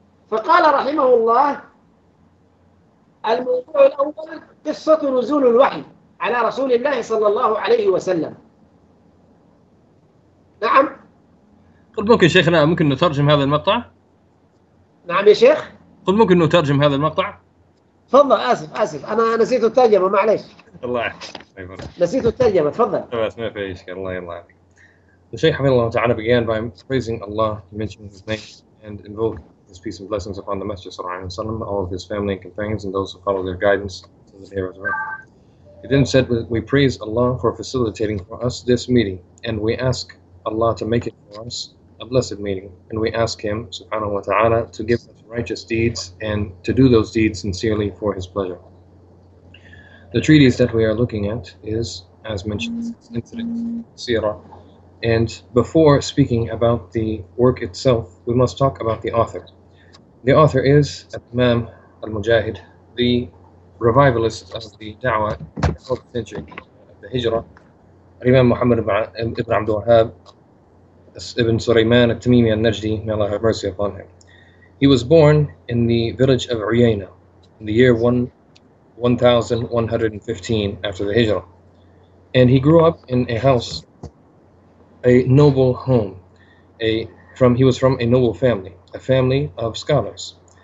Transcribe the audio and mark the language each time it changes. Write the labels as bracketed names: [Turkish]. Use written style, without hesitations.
[Arabic] فقال رحمه الله: الموضوع الأول قصة نزول الوحي على رسول الله صلى الله عليه وسلم. نعم، قل ممكن شيخنا ممكن نترجم هذا المقطع؟ نعم يا شيخ، قل ممكن نترجم هذا المقطع؟ تفضل. آسف أنا نسيت الترجمة، معليش. الله نسيت الترجمة، تفضل. ما في إشكال. [English] الله The Shaykh Hamidullah Ta'ala began by praising Allah, mentioning His name, and invoke His peace and blessings upon the Messenger Sallallahu Alaihi Wasallam, all of His family and companions, and those who follow their guidance to the day of resurrection. He then said, "We praise Allah for facilitating for us this meeting, and we ask Allah to make it for us a blessed meeting, and we ask Him, Subhanahu Wa Ta'ala, to give us righteous deeds and to do those deeds sincerely for His pleasure." The treatise that we are looking at is, as mentioned, incident, Sirah. And before speaking about the work itself, we must talk about the author. The author is Imam al-Mujahid, the revivalist of the Dawah of the 12th century, [Arabic] الهجرة، الإمام محمد بن عبد الوهاب ابن سليمان التميمي النجدي، [English] may Allah have mercy upon him. He was born in the village of Uyayna in the year 1115 after the Hijrah. And he grew up in a house, a noble home. He was from a noble family, a family of scholars.